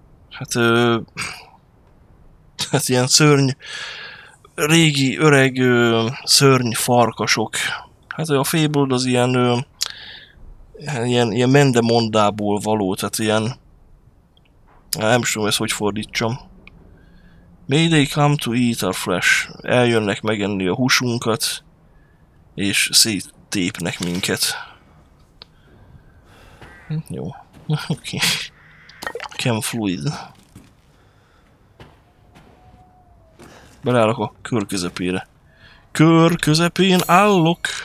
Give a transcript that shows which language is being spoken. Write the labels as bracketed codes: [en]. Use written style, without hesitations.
[hu] Hát ilyen szörny... Régi, öreg szörny farkasok. Hát a Fabled az ilyen... ilyen mendemondából való, tehát ilyen... Nem tudom, ezt hogy fordítsam. [en] May they come to eat our flesh. [hu] Eljönnek megenni a húsunkat, és széttépnek minket. Jó. Oké. Chem fluid. Beleállok a kör közepére. Kör közepén állok.